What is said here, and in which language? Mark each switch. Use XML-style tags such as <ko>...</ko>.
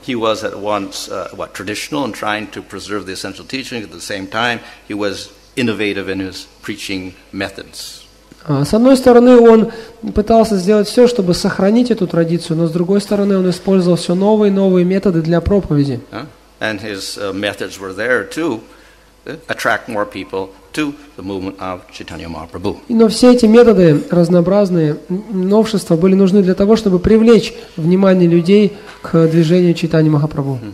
<en>He was at once traditional and trying to preserve the essential teachings at the same time he was innovative in his preaching methods.</en> <ru>С одной стороны, он пытался сделать все, чтобы сохранить эту традицию, но с другой стороны, он использовал все новые и новые методы для проповеди.</ru> <en>And his methods were there to attract more people to the movement of Chaitanya Mahaprabhu.</en> <ru>Но все эти методы разнообразные, новшества были нужны для того, чтобы привлечь внимание людей к движению Чайтани Махапрабху.</ru>